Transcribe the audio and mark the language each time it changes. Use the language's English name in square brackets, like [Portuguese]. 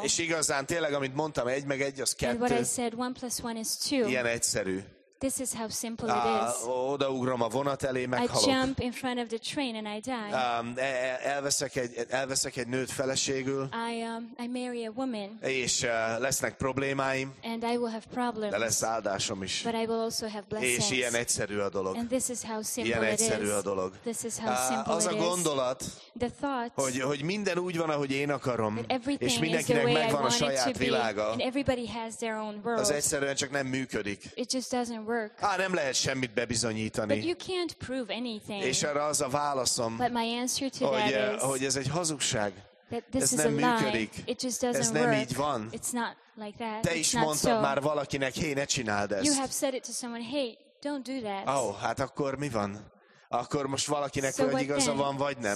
[Hungarian] És igazán tényleg, amit mondtam, egy meg egy, az kettő. [English] And what I said, one plus one is two. [Hungarian] Ilyen egyszerű. [English] This is how simple it is. [Hungarian] Odaugrom a vonat elé, meghalok. [English] I jump in front of the train and I die. [Hungarian] Elveszek egy nőt feleségül. [English] I marry a woman. [Hungarian] És lesznek problémáim. [English] And I will have problems. [Hungarian] De lesz áldásom is. [English] But I will also have blessings. [Hungarian] És ilyen egyszerű a dolog. [English] And this is how simple it is. [Hungarian] Ilyen egyszerű a dolog. [English] This is how simple it is. [Hungarian] Az a gondolat, [English] the thought, [Hungarian] hogy minden úgy van, ahogy én akarom, és mindenkinek megvan a saját világa, [English] and everybody has their own world. [Hungarian] Az egyszerűen csak nem működik. [English] It just doesn't work. [Hungarian] Nem lehet semmit bebizonyítani. [English] But you can't prove anything. [Hungarian] És erre az a válaszom, hogy ez egy hazugság. Ez nem működik. [English] It just doesn't [Hungarian] ez nem így van. [English] It's not like that. [Hungarian] Te is mondtad már valakinek, hé, ne csináld ezt. [English] You have said it to someone, hey, don't do that. [Hungarian] Hát akkor mi van? Akkor most valakinek olyan igaza van, vagy nem?